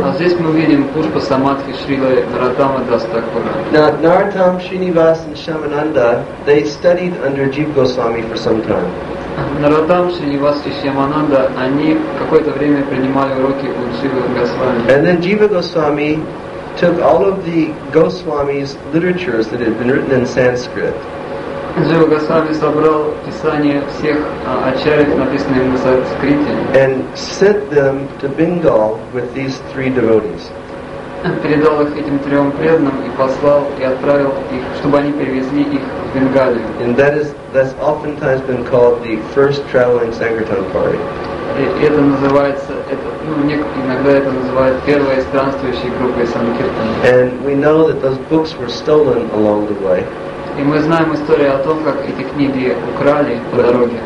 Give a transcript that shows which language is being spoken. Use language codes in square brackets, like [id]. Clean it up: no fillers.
[en] Now, Narottam, Srinivas, and Shyamananda, they studied under Jiva Goswami for some time. [ru] Narottam, Srinivas, and Shyamananda, они какое-то время принимали уроки у Джива Госвами. [en] And then Jiva Goswami took all of the Goswami's literatures that had been written in Sanskrit. [ru] Джива Госвами собрал писания всех ачарьев, написанных на санскрите. [en] And sent them to Bengal with these three devotees. [ru] Передал их этим трем преданным и послал и отправил их, чтобы они перевезли их в Бенгалию. [en] And that's oftentimes been called the first traveling Sankirtan party. [ru] Иногда это называют первой странствующей группой Санкиртан. [en] And we know that those books were stolen along the way. [ru] И мы знаем историю о том, как эти книги украли по дороге.